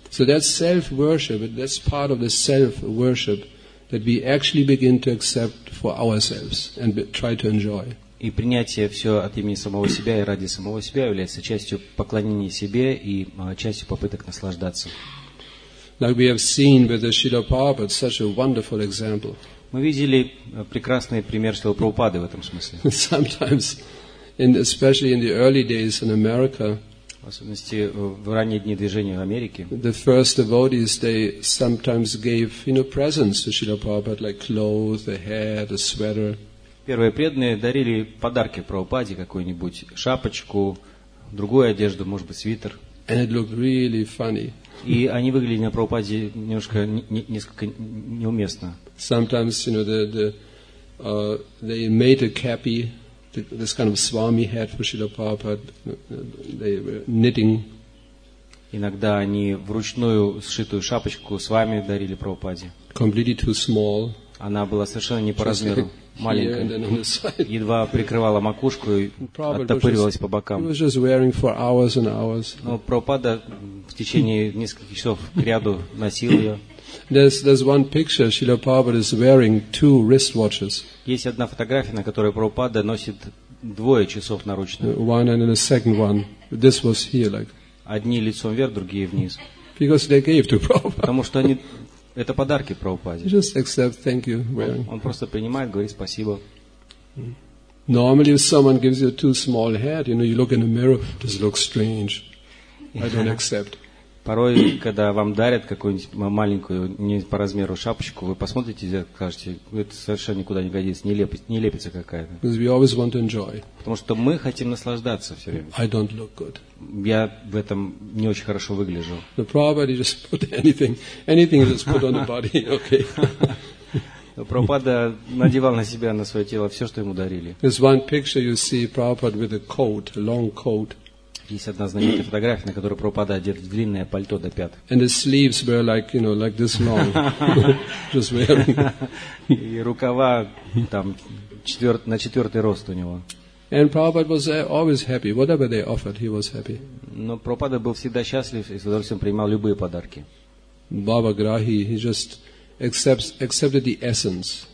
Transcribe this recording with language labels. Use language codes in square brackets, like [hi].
[en] So that's self-worship, that's part of the self-worship that we actually begin to accept for ourselves and try to enjoy. [ru] И принятие все от имени самого себя и ради самого себя является частью поклонения себе и частью попыток наслаждаться. [en] Like we have seen with the Srila Prabhupada, such a wonderful example. [ru] Мы видели прекрасный пример Шрилы Прабхупады в этом смысле. [en] Sometimes, in, especially in the early days in America, [ru] в особенности в ранние дни движения в Америке, [en] the first devotees, they sometimes gave, you know, presents to Srila Prabhupada, like clothes, a hat, a sweater. [ru] Первые преданные дарили подарки Прабхупаде, какую-нибудь шапочку, другую одежду, может быть, свитер. [en] And it looked really funny. [ru] И они выглядели на Прабхупаде немножко, несколько неуместно. [en] Sometimes, you know, they made a kepi. this kind of swami hat for Srila Prabhupada, they were knitting. [ru] Иногда они вручную сшитую шапочку с вами дарили Прабхупаде. [en] Completely too small. [ru] Она была совершенно не по размеру, маленькая, едва прикрывала макушку и оттопыривалась по бокам. Но Прабхупада в течение нескольких часов к ряду носил ее. [en] There's one picture Srila Prabhupada is wearing two wristwatches. [ru] Есть одна фотография, на которой Прабхупада носит двое часов наручных. [en] One and the second one. This was here, like. [ru] Одни лицом вверх, другие вниз. [en] Because they gave to Prabhupada. [ru] Потому что они это подарки Прабхупаде. [en] Just accept, thank you, wearing. [ru] Он просто принимает, говорит спасибо. [en] Normally, if someone gives you two small hat, you know, you look in the mirror, this looks strange. I don't accept. [ru] Порой, когда вам дарят какую-нибудь маленькую, не по размеру шапочку, вы посмотрите и скажете, это совершенно никуда не годится, нелепица какая-то. [en] Because we always want to enjoy. [ru] Потому что мы хотим наслаждаться все время. [en] I don't look good. [ru] Я в этом не очень хорошо выгляжу. [en] The Prabhupada just put anything just put on the body, okay. [ru] Прабхупада надевал на себя, на свое тело все, что ему дарили. [en] There's one picture you see Prabhupada with a coat, a long coat. [ru] Есть одна знаменитая фотография, на которой Прабхупада одет длинное пальто до пят. [en] And the sleeves were like, you know, like this long. Just wearing. [ru] И рукава там на четвертый рост у него. [en] And Prabhupada was always happy. Whatever they offered, he was happy. [ru] Но Прабхупада был всегда счастлив и с удовольствием принимал любые подарки. [en] Баба Грахи, he just accepted the essence.